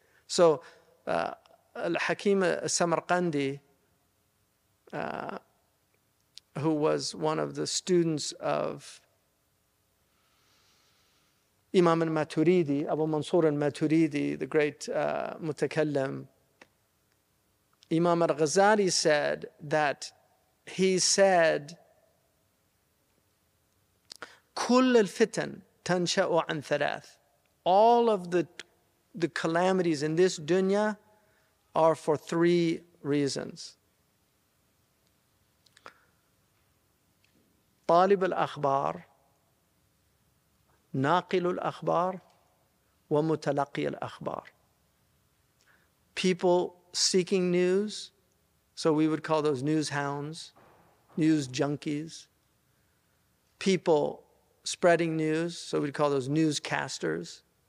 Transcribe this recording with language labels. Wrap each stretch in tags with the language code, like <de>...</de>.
<en>So Al-Hakim Samarqandi, who was one of the students of Imam al-Maturidi, Abu Mansur al-Maturidi, the great mutakallim, Imam al-Ghazali said that he said,</en> <ar>كل الفتن تنشأ عن ثلاث.</ar> <en>All of the calamities in this dunya are for three reasons.</en> <ar>طالب الأخبار, ناقل الأخبار, ومتلقي الأخبار.</ar> <en>People seeking news, so we would call those news hounds, news junkies. People spreading news, so we'd call those newscasters.</en>